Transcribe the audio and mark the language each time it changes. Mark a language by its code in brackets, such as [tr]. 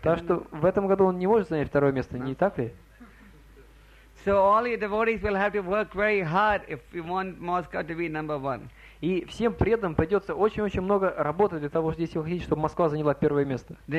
[ru] Так что в этом году он не может занять второе место, не так ли? [en] So all your devotees will have to work very hard if you want Moscow to be number one. [ru] И всем преданным придется очень-очень много работать для того, чтобы, если вы хотите, чтобы Москва заняла первое место.